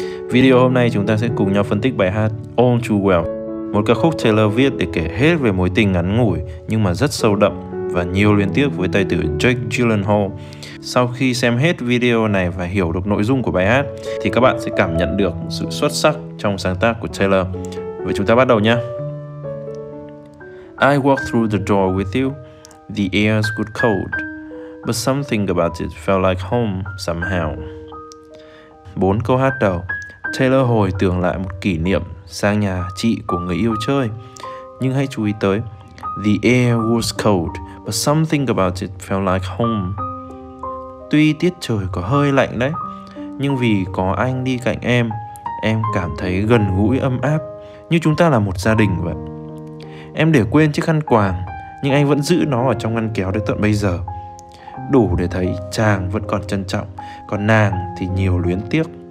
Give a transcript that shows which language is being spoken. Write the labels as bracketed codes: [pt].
[vi] Video hôm nay chúng ta sẽ cùng nhau phân tích bài hát All Too Well, một ca khúc Taylor viết để kể hết về mối tình ngắn ngủi nhưng mà rất sâu đậm và nhiều liên tiếp với tài tử Jake Gyllenhaal. Sau khi xem hết video này và hiểu được nội dung của bài hát thì các bạn sẽ cảm nhận được sự xuất sắc trong sáng tác của Taylor. Vậy chúng ta bắt đầu nha. [en] I walked through the door with you. The air's good cold, but something about it felt like home somehow. [vi] 4 câu hát đầu. Taylor hồi tưởng lại một kỷ niệm sang nhà chị của người yêu chơi. Nhưng hãy chú ý tới [en] the air was cold, but something about it felt like home. [vi] Tuy tiết trời có hơi lạnh đấy, nhưng vì có anh đi cạnh em cảm thấy gần gũi ấm áp, như chúng ta là một gia đình vậy. Em để quên chiếc khăn quàng, nhưng anh vẫn giữ nó ở trong ngăn kéo đến tận bây giờ. Đủ để thấy chàng vẫn còn trân trọng, còn nàng thì nhiều luyến tiếc.